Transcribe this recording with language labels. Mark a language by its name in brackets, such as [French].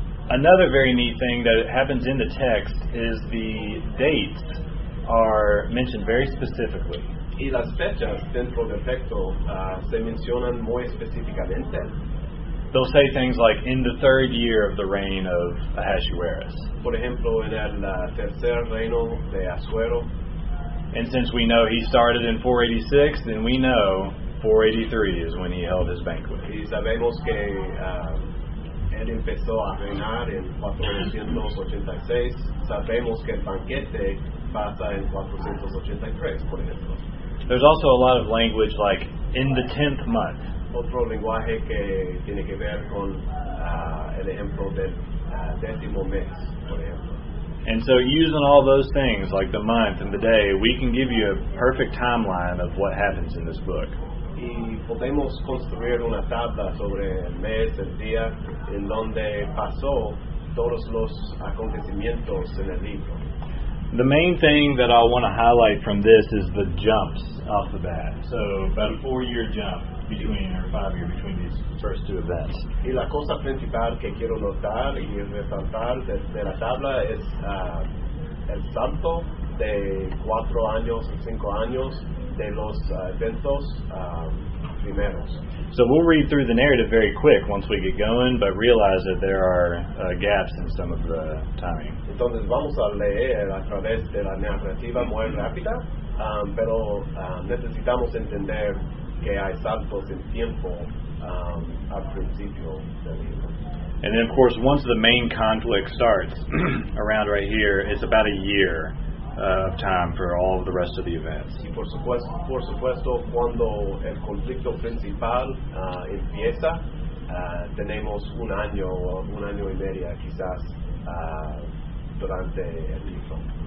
[English] Another very neat thing that happens in the text is the dates are mentioned very specifically. [Spanish] Y las fechas dentro del texto se mencionan muy específicamente. [English] They'll say things like in the third year of the reign of Ahasuerus. [Spanish] Por ejemplo, en el tercer reino de Asuero. [English] And since we know he started in 486, then we know 483 is when he held his banquet. [Spanish] Y sabemos que él empezó a reinar en 486. Sabemos que el banquete pasa en 483, por ejemplo. [English] There's also a lot of language like in the 10th month. [Spanish] Otro lenguaje que tiene que ver con el ejemplo del décimo mes, por ejemplo. [English] And so using all those things, like the month and the day, we can give you a perfect timeline of what happens in this book. [Spanish] Y podemos construir una tabla sobre el mes, el día, en donde pasó todos los acontecimientos en el libro. [English] The main thing that I want to highlight from this is the jumps off the bat. So about a 4-year jump between, or 5-year between these first two events. [Spanish] Y la cosa principal que quiero notar y resaltar de la tabla es el salto de 4 años o 5 años de los eventos primeros. [English] So we'll read through the narrative very quick once we get going, but realize that there are gaps in some of the timing. [Spanish] Entonces vamos a leer a través de la narrativa muy rápida, pero necesitamos entender que hay saltos en tiempo al principio del libro. [English] And then of course once the main conflict starts around right here, it's about a year of time for all of the rest of the events. [Spanish] Y por supuesto, cuando el conflicto principal empieza, tenemos un año o un año y medio quizás durante el libro.